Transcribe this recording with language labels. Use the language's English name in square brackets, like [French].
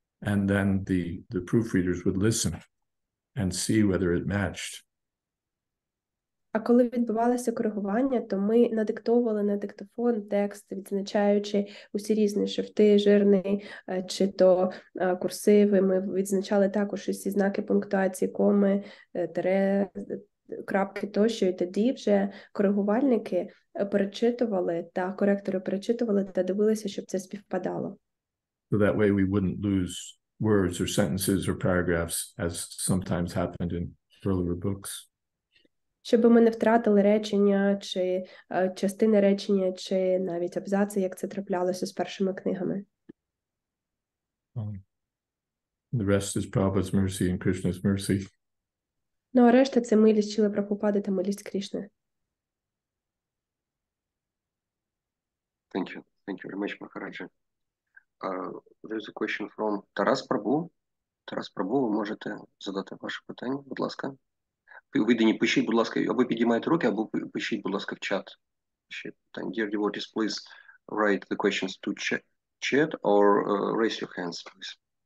[English] And then the proofreaders would listen and see whether it matched. [Ukrainian] А коли відбувалося коригування, то ми надиктовували на диктофон текст, відзначаючи усі різні шрифти, жирний чи то курсиви. Ми відзначали також усі знаки пунктуації, коми, тире, крапки тощо. І тоді вже коригувальники перечитували та коректори перечитували та дивилися, щоб це співпадало. [English] So that way we wouldn't lose words or sentences or paragraphs as sometimes happened in earlier books. [Ukrainian] Щоб ми не втратили речення, чи частини речення, чи навіть абзаци, як це траплялося з першими книгами. [English] The rest is Prabhupada's mercy and Krishna's mercy. [Ukrainian] Ну, а решта – це милість Шіли Прабхупади та милість Кришни. [English] Thank you. Thank you very much, Махараджа. There's a question from Taras Prabhu. [Ukrainian] Taras Prabhu, ви можете задати ваше питання, будь ласка. Видані, пишіть, будь ласка, або піднімайте руки, або пишіть, будь ласка, в чат. [English] Dear devotees, please write the questions to chat or raise your hands, please.